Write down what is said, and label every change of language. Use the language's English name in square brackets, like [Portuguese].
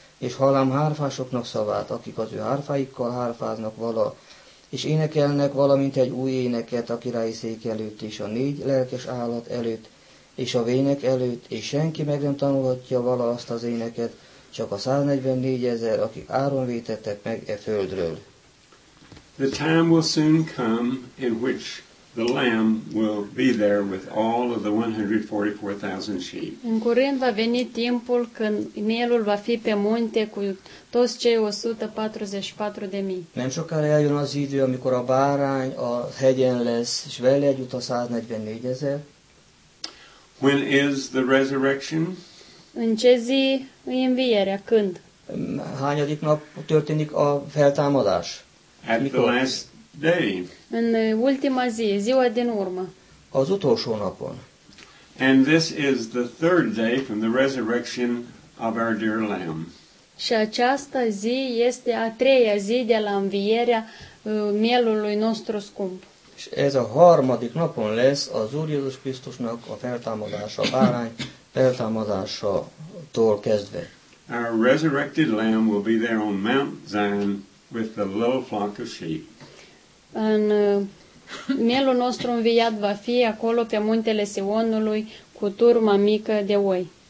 [Hungarian] és hallám hárfásoknak szavát, akik az ő hárfáikkal hárfáznak vala, és énekelnek valamint egy új éneket a királyi szék előtt, és a négy lelkes állat előtt, és a vének előtt, és senki meg nem tanulhatja vala azt az éneket, csak a 144 000, akik áron vétettek meg e földről. [English] The time will soon come in which the Lamb will be there with all of the 144,000 sheep. [Romanian] În curând va veni timpul când mielul va fi pe munte cu toți cei 144,000. [Hungarian] Nem sokára eljön az idő, amikor a bárány a hegyen lesz, és vele együtt a 144,000. [English] When is the resurrection? [Romanian] În ce zi învierea? Când? [Hungarian] Hányadik nap történik a feltámadás? [English] At the last day. [Romanian] În ultima zi, ziua din urmă. [Hungarian] Az utolsó napon. [English] And this is the third day from the resurrection of our dear Lamb. [Romanian] Și această zi este a treia zi de la învierea mielului nostru scump. [Hungarian] És ez a harmadik napon lesz az Úr Jézus Krisztusnak a feltámadása, a bárány feltámadásától kezdve. [English] Our resurrected Lamb will be there on Mount Zion with the little flock of sheep. [Romanian] În mielul nostru înviat va fi acolo pe muntele Sionului cu turma mică de oi.